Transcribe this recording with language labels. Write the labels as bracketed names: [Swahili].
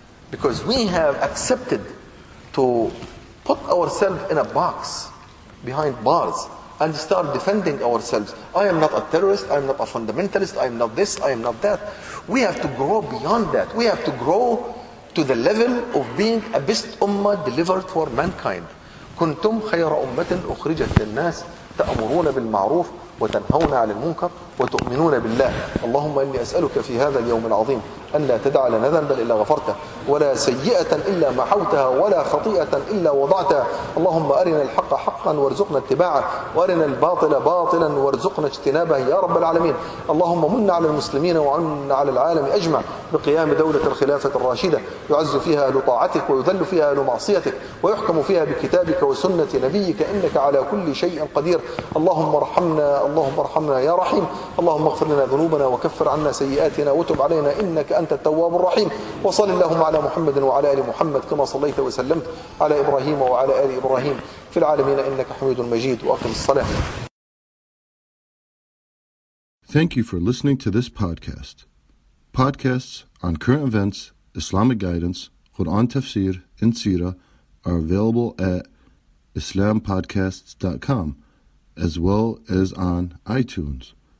[English] Because we have accepted to put ourselves in a box behind bars and start defending ourselves. I am not a terrorist, I am not a fundamentalist, I am not this, I am not that. We have to grow beyond that. We have to grow to the level of being a best ummah delivered for mankind. [Arabic] كنتم خير أمة أخرجت للناس تأمرون بالمعروف وتنهون عن المنكر وتؤمنون بالله. اللهم إني أسألك في هذا اليوم العظيم أن لا تدع لنا ذنبا إلا غفرته، ولا سيئة إلا محوتها، ولا خطيئة إلا وضعتها. اللهم أرنا الحق حقا وارزقنا اتباعه، وأرنا الباطل باطلا وارزقنا اجتنابه يا رب العالمين. اللهم من على المسلمين وعن على العالم أجمع بقيام دولة الخلافة الراشدة، يعز فيها أهل طاعتك ويذل فيها أهل معصيتك، ويحكم فيها بكتابك وسنة نبيك، إنك على كل شيء قدير. اللهم ارحمنا، اللهم ارحمنا يا رحيم. اللهم اغفر لنا ذنوبنا وكفر عنا سيئاتنا وتب علينا إنك أنت التواب الرحيم. وصل اللهم على محمد وعلى آل محمد كما صليت وسلمت على إبراهيم وعلى آل إبراهيم في العالمين إنك حميد مجيد. وأقم الصلاة. [English] Thank you for listening to this podcast. Podcasts on current events, Islamic guidance, Quran tafsir, and Sira are available at islampodcasts.com as well as on iTunes.